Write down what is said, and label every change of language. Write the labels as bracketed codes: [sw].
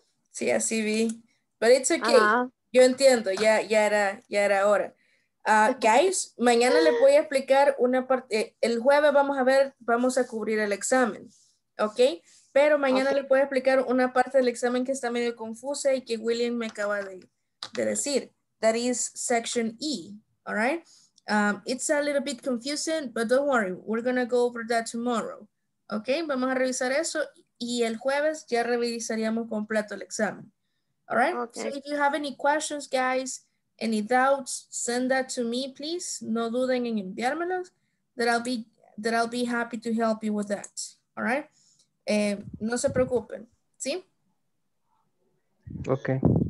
[es] Sí, así vi. [en] But it's okay. [es] Yo entiendo, ya era hora. Guys, mañana les voy a explicar una parte. El jueves vamos a cubrir el examen. ¿Ok? Pero mañana les voy a explicar una parte del examen que está medio confusa y que William me acaba de decir. [en] That is section E. All right? It's a little bit confusing, but don't worry. We're going to go over that tomorrow. ¿Ok? [es] Vamos a revisar eso. Y el jueves ya revisaríamos completo el examen. [en] All right? Okay. So if you have any questions, guys, any doubts, send that to me, please. [es] No duden en enviármelos. [en] That I'll be happy to help you with that. All right? [es] No se preocupen. ¿Sí? [en] Okay.